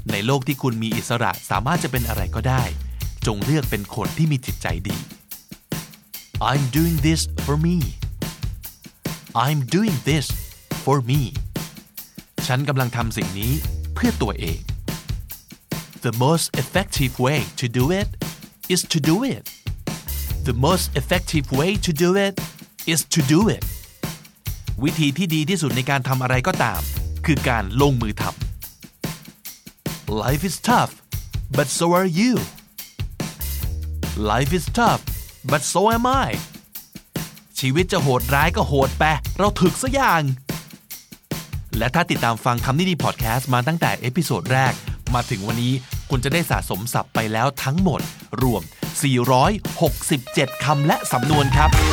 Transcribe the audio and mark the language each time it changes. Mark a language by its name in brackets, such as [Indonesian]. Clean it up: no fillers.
[Thai] ในโลกที่คุณมีอิสระสามารถจะเป็นอะไรก็ได้จงเลือกเป็นคนที่มีจิตใจดี I'm doing this for me. [English] I'm doing this for me. [Thai] ฉันกำลังทำสิ่งนี้เพื่อตัวเอง [English] The most effective way to do it is to do it. The most effective way to do it is to do it. [Thai] วิธีที่ดีที่สุดในการทำอะไรก็ตามคือการลงมือทำ [English] Life is tough but so are you. Life is tough, but so am I. [Thai] ชีวิตจะโหดร้ายก็โหดไปเราถึกซะอย่างและถ้าติดตามฟังคำนี้ดีพอดแคสต์มาตั้งแต่เอพิโซดแรกมาถึงวันนี้คุณจะได้สะสมศัพท์ไปแล้วทั้งหมดรวม467คำและสำนวนครับ